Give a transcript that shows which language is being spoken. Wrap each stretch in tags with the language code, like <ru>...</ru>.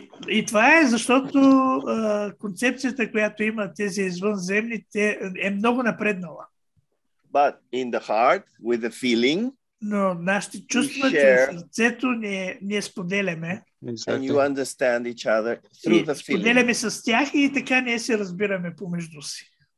<bg>И това е защото концепцията, която има тези извънземните, е много напреднала.</bg> <en>But in the heart, with the feeling,</en> <bg>но нашите чувства, че сърцето ние споделяме.</bg> <en>Exactly. And you understand each other through the feeling.</en> <bg>Споделяме с тях и така ние се разбираме помежду си.</bg>